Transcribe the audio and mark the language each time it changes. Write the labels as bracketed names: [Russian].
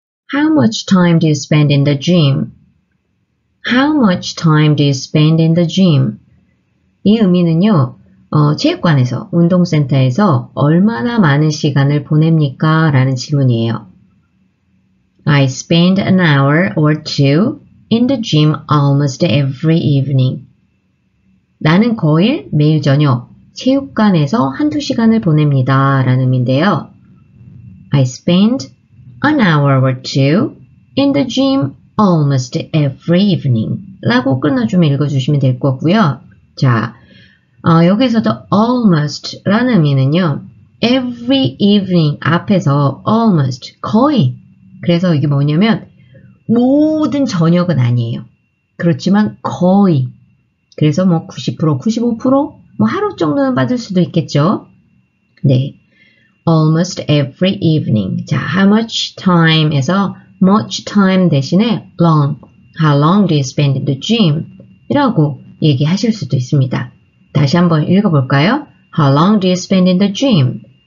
[English] How much time do you spend in the gym? How much time do you spend in the gym? [Korean] 이 의미는요, 체육관에서, 운동센터에서 얼마나 많은 시간을 보냅니까? 라는 질문이에요. [English] I spend an hour or two in the gym almost every evening. [Korean] 나는 거의 매일 저녁 체육관에서 한두 시간을 보냅니다. 라는 의미인데요. [English] I spend an hour or two in the gym almost every evening. [Korean] 라고 끊어주면 읽어주시면 될 거고요. 자, 여기에서도 almost 라는 의미는요. [English] every evening 앞에서 almost, 거의. [Korean] 그래서 이게 뭐냐면 모든 저녁은 아니에요. 그렇지만 거의. 그래서 뭐 90%, 95%? 뭐 하루 정도는 받을 수도 있겠죠? [English] 네. Almost every evening. 자, how much time에서 much time 대신에 long. How long do you spend in the gym? [Korean] 이라고 얘기하실 수도 있습니다. 다시 한번 읽어볼까요? [English] How long do you spend in the gym?